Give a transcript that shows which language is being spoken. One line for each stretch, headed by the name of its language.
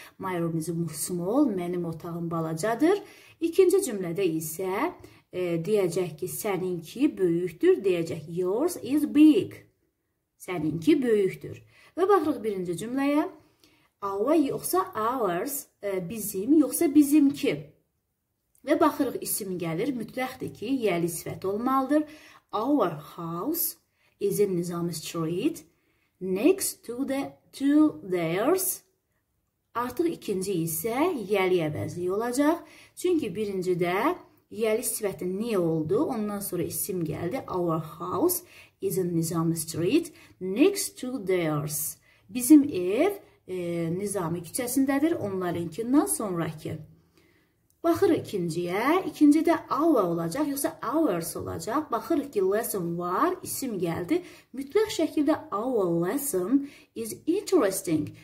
English: My room is small.
Azerbaijani: Mənim otağım balacadır. İkinci cümlədə isə deyəcək ki, səninki böyükdür. Deyəcək,
English: yours is big.
Azerbaijani: Səninki böyükdür. Və baxırıq birinci cümləyə. Our yoxsa ours, bizim yoxsa bizimki. Və baxırıq isim gəlir. Mütləqdir ki, yəli sifət olmalıdır.
English: Our house is in Nizam Street, next to theirs.
Azerbaijani: Artıq ikinci isə yəli əvəzliyi olacaq. Çünki birincidə yəli sifəti nə oldu? Ondan sonra isim gəldi.
English: Our house is in Nizam Street, next to theirs.
Azerbaijani: Bizim ev Nizami küçəsindədir. Onlarınkindən sonraki. Baxırıq ikinciyə. İkinci də our olacaq, yoxsa ours olacaq. Baxırıq ki, lesson var, isim gəldi. Mütləq şəkildə
English: our lesson is interesting.